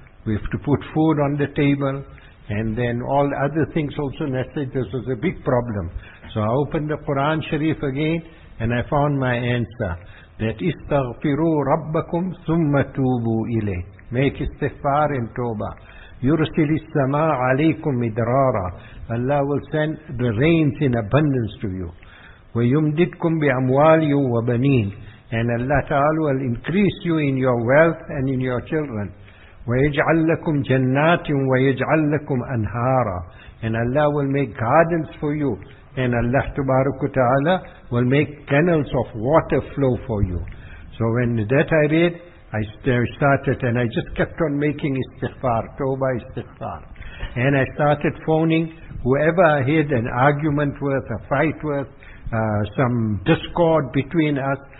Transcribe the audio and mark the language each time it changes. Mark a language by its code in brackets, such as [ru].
[en] We have to put food on the table. And then all other things also necessary. This was a big problem. So I opened the Quran Sharif again. And I found my answer, that [ar] إِسْتَغْفِرُوا رَبَّكُمْ ثُمَّ تُوبُوا إِلَيْهِ. [en] Make istighfar and tawbah. [ar] يرسل السماء عليكم مدرارا. [en] Allah will send the rains in abundance to you. [ar] ويمددكم بأموال وبنين. [en] And Allah Ta'ala will increase you in your wealth and in your children. [ar] ويجعل لكم جنات ويجعل لكم أنهارا. [en] And Allah will make gardens for you. And Allah Tabarak wa Ta'ala will make canals of water flow for you. So when that I read, I started and I just kept on making istighfar, tawbah istighfar. And I started phoning whoever I had an argument with, a fight with, some discord between us.